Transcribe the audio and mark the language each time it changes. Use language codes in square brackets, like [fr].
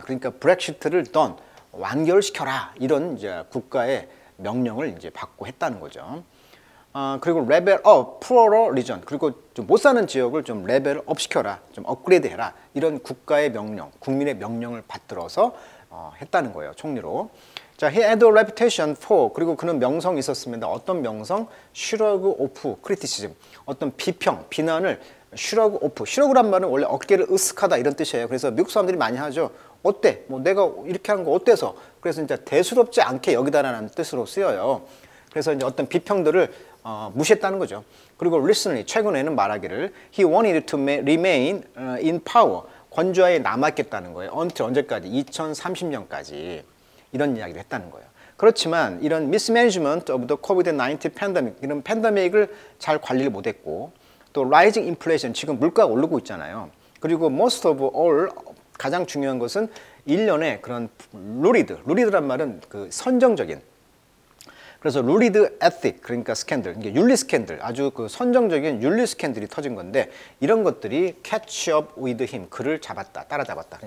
[ko] 그러니까 Brexit를 done. 완결시켜라. 이런 이제 국가의 명령을 이제 받고 했다는 거죠. 그리고 [en] level up, poorer region, [ko] 그리고 좀 못 사는 지역을 좀 level up 시켜라, 좀 업그레이드 해라, 이런 국가의 명령, 국민의 명령을 받들어서 했다는 거예요, 총리로. 자, [en] he had a reputation for, [ko] 그리고 그는 명성이 있었습니다. 어떤 명성? [en] shrug off criticism, [ko] 어떤 비평, 비난을 [en] shrug off. [ko] shrug란 말은 원래 어깨를 으쓱하다 이런 뜻이에요. 그래서 미국 사람들이 많이 하죠. 어때? 뭐 내가 이렇게 한 거 어때서? 그래서 이제 대수롭지 않게 여기다라는 뜻으로 쓰여요. 그래서 이제 어떤 비평들을 무시했다는 거죠. 그리고 recently, 최근에는 말하기를 [en] he wanted to remain in power, [ko] 권좌에 남았겠다는 거예요. [en] Until [ko] 언제까지? 2030년까지 이런 이야기를 했다는 거예요. 그렇지만 이런 [en] mismanagement of the COVID-19 pandemic, [ko] 이런 팬데믹을 잘 관리를 못했고 또 [en] rising inflation, [ko] 지금 물가가 오르고 있잖아요. 그리고 [en] most of all, [ko] 가장 중요한 것은 일련의 그런 루리드란 말은 그 선정적인, 그래서 루리드 에틱, 그러니까 스캔들, 이게 윤리 스캔들, 아주 그 선정적인 윤리 스캔들이 터진 건데 이런 것들이 [en] catch up with him, [ko] 그를 잡았다, 따라잡았다.